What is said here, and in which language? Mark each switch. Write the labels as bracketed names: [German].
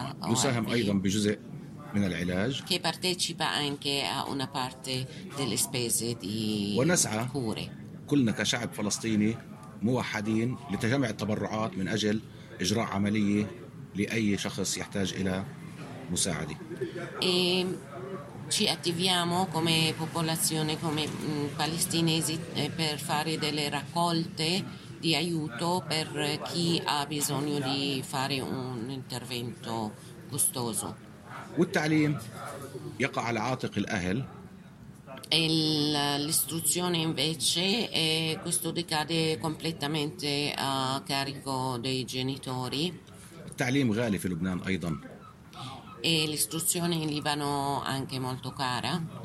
[Arabic] يساهم أيضا بجزء من العلاج. [Italian] Che partecipa anche a una parte delle spese di cure. [Arabic] كلنا كشعب فلسطيني موحدين لتجمع التبرعات من أجل إجراء عملية لأي شخص يحتاج إلى مساعدة. [Italian] E ci attiviamo come popolazione, come palestinesi, per fare delle raccolte di aiuto per chi ha bisogno di fare un intervento costoso. [Arabic] والتعليم يقع على عاتق الأهل. [Italian] E l'istruzione invece questo ricade completamente a carico dei genitori. [Arabic] التعليم غالي في لبنان أيضا. [Italian] E l'istruzione in Libano anche molto cara.